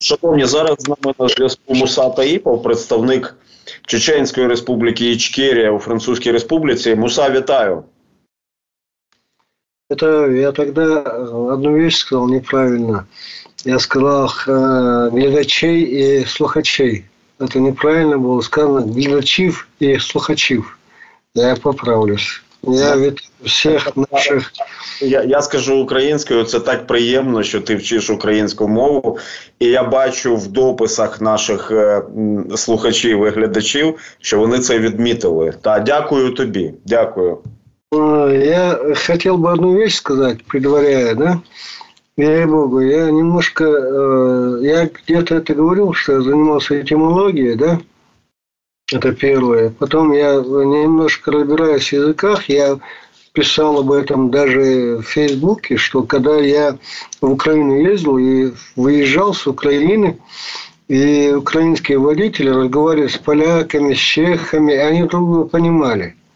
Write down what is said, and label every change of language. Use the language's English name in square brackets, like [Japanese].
[Ukrainian] Шановні, зараз з нами на зв'язку Муса Таїпов, представник Чеченської республіки Ічкерія у Французькій республіці. Муса, вітаю. [Russian] Это я тогда одну вещь сказал неправильно. Я сказал глядачей и слухачей. Это неправильно было сказано. Глядачив и слухачив. Я поправлюсь. [Ukrainian] Я від всіх наших... Я скажу українською. Це так приємно, що ти вчиш українську мову. І я бачу в дописах наших слухачів і глядачів, що вони це відмітили. Та дякую тобі. Дякую. [Russian] Я хотел бы одну вещь сказать, предваряя, да? Ей-богу, я немножко, я где-то это говорил, что я занимался этимологией, да? Это первое. Потом я немножко разбираюсь в языках, я писал об этом даже в Фейсбуке, что когда я в Украину ездил и выезжал с Украины, и украинские водители разговаривали с поляками, с чехами, они друг друга понимали.